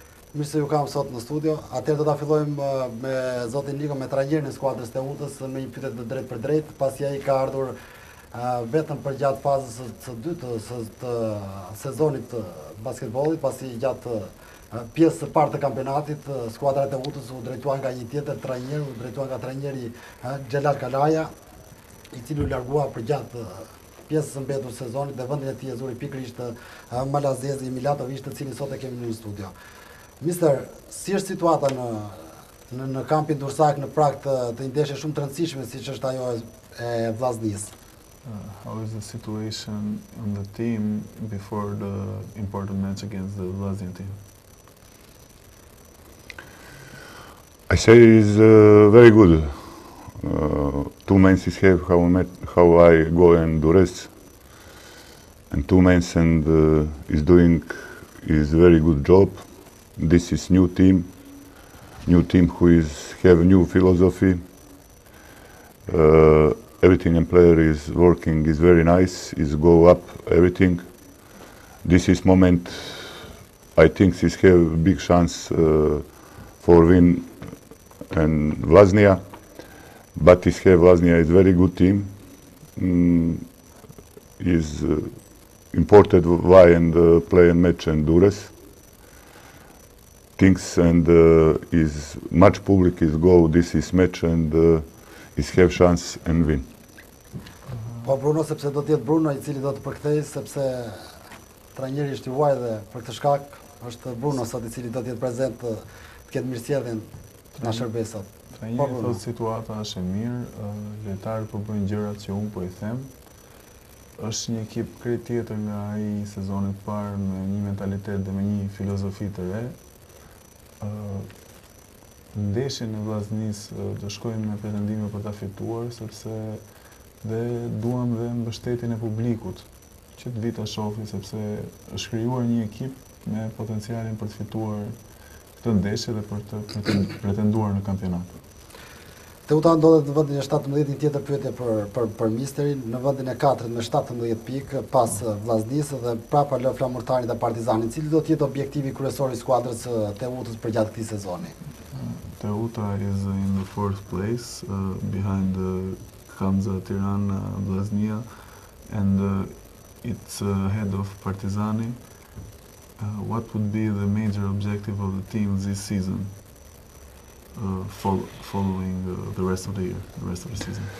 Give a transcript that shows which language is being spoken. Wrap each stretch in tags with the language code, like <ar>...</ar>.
<sq>Mirë se ju kam sot në studio. Atëherë do ta fillojmë me zotin Niko, me trajnerin e skuadrës Teutës, me një pyetje të drejtë për drejtë, pasi ai ka ardhur vetëm për gjatë fazës së dytë të sezonit të basketbollit, pasi gjatë pjesë së parë të kampionatit skuadra e Teutës u drejtuan nga një tjetër trajner, u drejtuan nga trajneri Xhelal Kalaja, i cili u largua për gjatë pjesës së mbetur sezonit, dhe vendin e tij e zuri pikërisht Malazezi Milatović, të cilin sot e kemi në studio. Mister, si është situata në kampin Durrësak në prag të një ndeshje shumë të rëndësishme siç është ajo e Vllaznisë?</sq> <en>How is the situation on the team before the important match against the Vllaznia team? I say it is very good. Two matches have how I go in Durrës, and two matches and is doing is very good job. This is new team who is have new philosophy. Everything and player is working is very nice, is go up everything. This is moment I think this have big chance for win and Vllaznia, but this have Vllaznia is very good team. Is important why and play and match and Durrës. Things and is much public is go this is match and is have chance and win.</en> <sq>Po Bruno, sepse do të jetë Bruno i cili do të përkthej, sepse trajneri është i huaj dhe për këtë shkak është Bruno sot i cili do të jetë prezant të ketë mirësjellën në shërbim sot. Po Bruno, thotë situata është e mirë, lojtarët po bëjnë gjërat që un po i them. Është një ekip krejt tjetër nga ai sezoni i parë, me një mentalitet dhe me një filozofi të re. Ndeshjen e Vllaznisë do shkojmë me pretendime për ta fituar, sepse dhe duam dhe mbështetjen e publikut që të vitë të shofi, sepse është krijuar një ekip me potencialin për të fituar këtë ndeshje dhe për të pretenduar në kampionat. Teuta ndodhet në vendin e 17, një tjetër pyetje për Misterin, në vendin e 4 me 17 pikë pas Vllaznisë dhe prapa lë Flamurtarin dhe Partizanin. Cili do të jetë objektivi kryesor i skuadrës Teutës për gjatë këtij sezoni?</sq> <en>Teuta is in the fourth place behind the Kamza, Tirana, Vllaznia, and it's ahead of Partizani. What would be the major objective of the team this season, following the rest of the year, the rest of the season?</en>